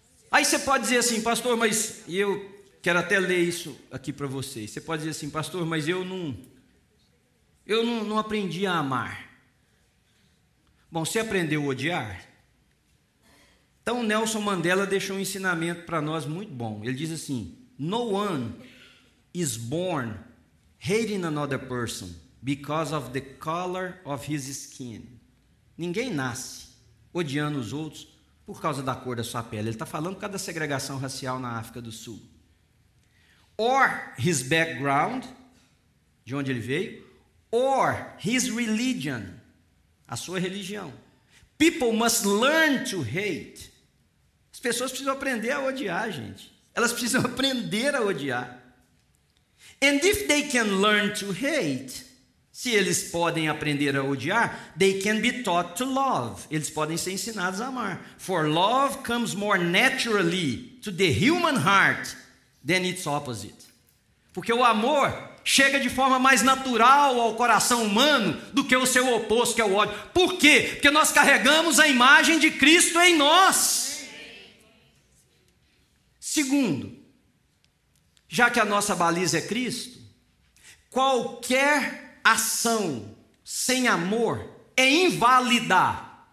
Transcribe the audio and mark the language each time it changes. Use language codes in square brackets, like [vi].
[pt] Aí você pode dizer assim, pastor, mas eu quero até ler isso aqui para vocês. Você pode dizer assim, pastor, mas eu não aprendi a amar. Bom, você aprendeu a odiar? Então, Nelson Mandela deixou um ensinamento para nós muito bom. Ele diz assim, [en] no one is born hating another person because of the color of his skin. [pt] Ninguém nasce odiando os outros por causa da cor da sua pele. Ele está falando por causa da segregação racial na África do Sul. [en] Or his background, [pt] de onde ele veio, [en] or his religion, [pt] a sua religião. [en] People must learn to hate. [pt] As pessoas precisam aprender a odiar, gente. Elas precisam aprender a odiar. [en] And if they can learn to hate, [pt] se eles podem aprender a odiar, [en] they can be taught to love. [pt] Eles podem ser ensinados a amar. [en] For love comes more naturally to the human heart than its opposite. [pt] Porque o amor chega de forma mais natural ao coração humano do que o seu oposto, que é o ódio. Por quê? Porque nós carregamos a imagem de Cristo em nós. Segundo, já que a nossa baliza é Cristo, qualquer ação sem amor é inválida.